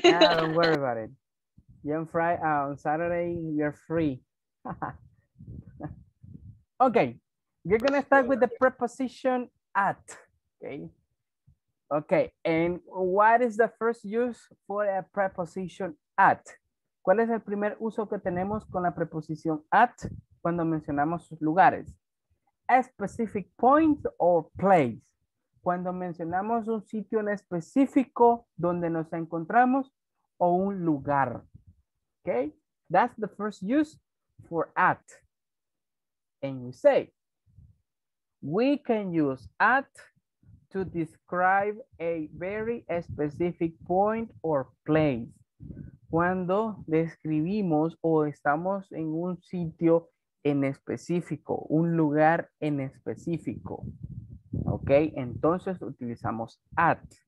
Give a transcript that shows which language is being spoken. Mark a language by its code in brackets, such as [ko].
[en] Yeah, don't worry about it. Yeah, on Saturday we are free. Okay, we're going to start with the preposition at. Okay. Okay, and what is the first use for a preposition at? [es] ¿Cuál es el primer uso que tenemos con la preposición at cuando mencionamos sus lugares? [en] A specific point or place. [es] Cuando mencionamos un sitio en específico donde nos encontramos o un lugar. [en] Okay? That's the first use for at. And you say, we can use at to describe a very specific point or place. [es] Cuando describimos o estamos en un sitio en específico, un lugar en específico. Ok, entonces utilizamos at.